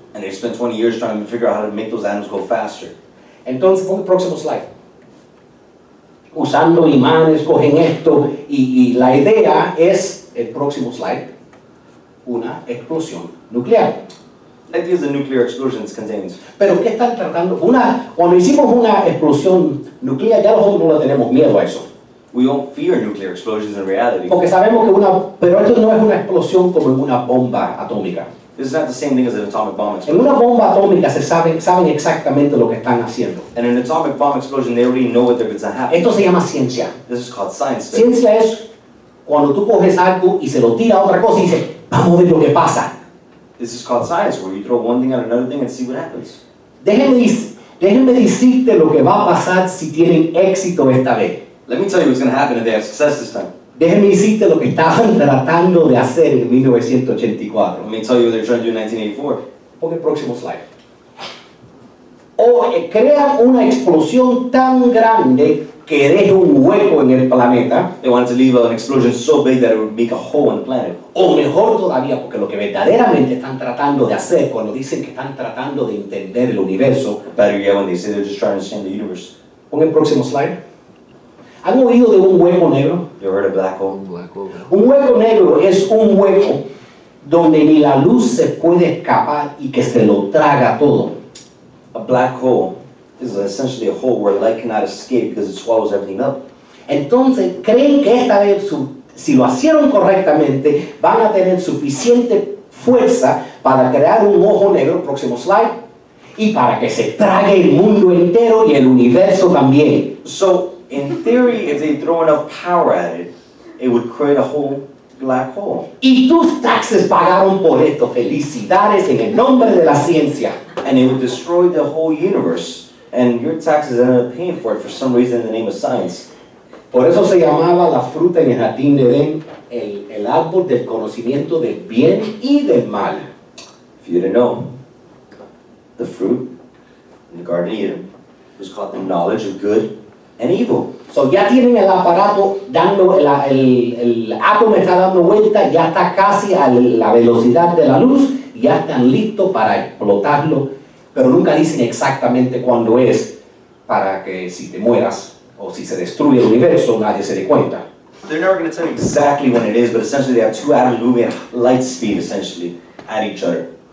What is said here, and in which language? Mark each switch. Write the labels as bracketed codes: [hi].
[en] And they spent 20 years trying to figure out how to make those atoms go faster. [es] Entonces, pon el próximo slide. Usando imanes, cogen esto y la idea es, el próximo slide, una explosión nuclear. [en] That is the nuclear explosion contains. [es] Pero qué están tratando una cuando hicimos una explosión nuclear ya nosotros no le tenemos miedo a eso. [en] We don't fear nuclear explosions in reality. [es] Porque sabemos que una pero esto no es una explosión como una bomba atómica. [en] This is not the same thing as an atomic bomb explosion. [es] En una bomba atómica se saben exactamente lo que están haciendo. [en] And in an atomic bomb explosion they already know what they're going to happen. [es] Esto se llama ciencia. [en] This is called science. [es] Ciencia es cuando tú coges algo y se lo tiras a otra cosa y dices vamos a ver lo que pasa. [en] This is called science, where you throw one thing at another thing and see what happens. [es] Déjeme decirte lo que va a pasar si tienen éxito esta vez. [en] Let me tell you what's going to happen if they have success this time. [es] Déjeme decirte lo que estaban tratando de hacer en 1984. [en] Let me tell you what they're trying to do in 1984. [es] Pon el próximo slide. Crea una explosión tan grande que deje un hueco en el planeta. [en] They wanted to leave an explosion so big that it would make a hole in the planet. [es] O mejor todavía, porque lo que verdaderamente están tratando de hacer cuando dicen que están tratando de entender el universo. [en] Better yet, when they say they're just trying to understand the universe. [es] Pon el próximo slide. ¿Han oído de un hueco negro? [en] You heard of black hole? Black hole. [es] Un hueco negro es un hueco donde ni la luz se puede escapar y que se lo traga todo. [en] A black hole is essentially a hole where light cannot escape because it swallows everything up. [es] Entonces, ¿creen que esta vez, si lo hicieron correctamente, van a tener suficiente fuerza para crear un ojo negro, próximo slide, y para que se trague el mundo entero y el universo también? [en] So, in theory, if they throw enough power at it, it would create a hole. Black hole. [es] Y tus taxes pagaron por esto. Felicidades en el nombre de la ciencia. [en] And it would destroy the whole universe. And your taxes ended up paying for it for some reason in the name of science. [es] Por eso se llamaba la fruta en el jardín de Edén el árbol del conocimiento del bien y del mal. [en] If you didn't know, the fruit in the Garden of Eden was called the knowledge of good and evil. [es] So ya tienen el aparato dando, el átomo está dando vuelta, ya está casi a la velocidad de la luz, ya están listos para explotarlo, pero nunca dicen exactamente cuándo es, para que si te mueras, o si se destruye el universo, nadie se dé cuenta. [en] They're never going to tell you exactly when it is, but essentially they have two atoms moving at light speed, essentially, at each other.